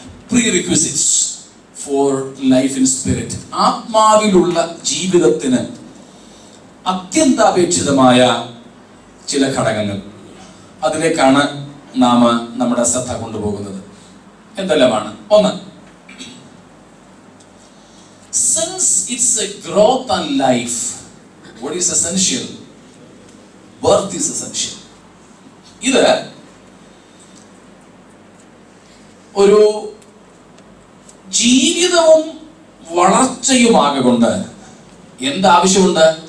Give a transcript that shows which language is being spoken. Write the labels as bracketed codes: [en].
[en] Prerequisites for life in spirit. [ml] ആത്മാവിലുള്ള ജീവിതത്തിന് അത്യന്താപേക്ഷിതമായ ചില ഘടകങ്ങൾ, അതിലേക്കാണ് നാം നമ്മുടെ ശ്രദ്ധ കൊണ്ടുപോകുന്നത്. എന്തെല്ലാമാണ്? [en] ഒന്ന്, since it's a growth and life, what is essential? Birth is essential. [ml] ഇത് ഒരു ജീവിതവും വളർച്ചയുമാകൊണ്ട് എന്താവശ്യമുണ്ട്?